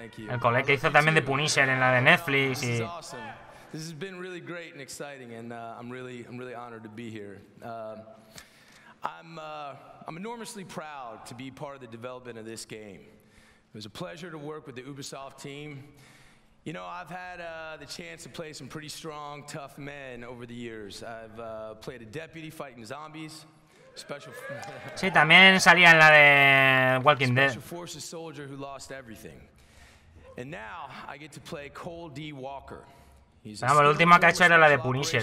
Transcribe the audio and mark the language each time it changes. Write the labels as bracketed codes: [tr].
[es] El colega que hizo también de Punisher en la de Netflix y... [en] This has been really great and exciting, and I'm really honored to be here. I'm enormously proud to be part of the development of this game. It was a pleasure to work with the Ubisoft team. You know, I've had the chance to play some pretty strong, tough men over the years. I've played a deputy fighting zombies. Special. [es] Sí, también salía en la de Walking Dead. [en] Special Forces soldier who lost everything, and now I get to play Cole D. Walker. [es] No, la última que ha hecho era la de Punisher.